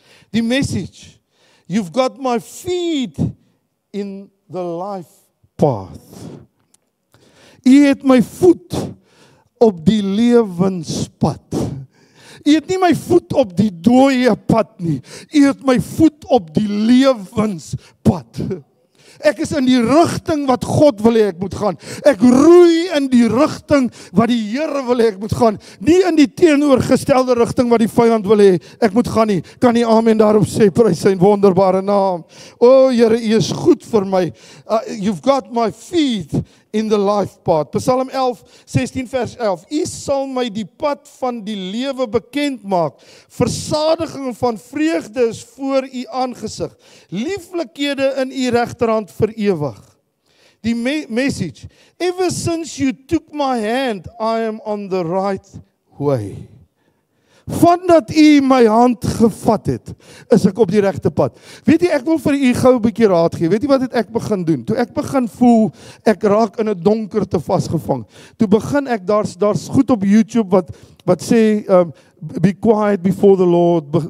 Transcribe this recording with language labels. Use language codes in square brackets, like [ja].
[en] Die message, you've got my feet in the life path. [af] U het my voet op die lewenspad. U het nie my voet op die dooie pad nie. U het my voet op die lewenspad. Ek is in die rigting wat God wil hê ek moet gaan. Ek roei in die rigting wat die Here wil hê ek moet gaan. Nie in die teenoorgestelde rigting wat die vyand wil hê ek moet gaan nie. Kan nie amen daarop sê, prys sy wonderbare naam. O Here, U is goed vir my. [en] You've got my feet in the life path. [af] Psalm 11, 16 vers 11. U sal my die pad van die lewe bekend maak. Versadiging van vreugde is voor U aangesig. Lieflikhede in U regterhand vir ewig. Die message. [en] Ever since you took my hand, I am on the right way. [af] Vandat U my hand gevat het, is ek op die regte pad. Weet jy, ek wil vir U gou 'n bietjie raad gee. Weet jy wat het ek begin doen? Toe ek begin voel, ek raak in 'n donkerte vasgevang. Toe begin ek, daar's goed op YouTube wat sê, [en] be quiet before the Lord.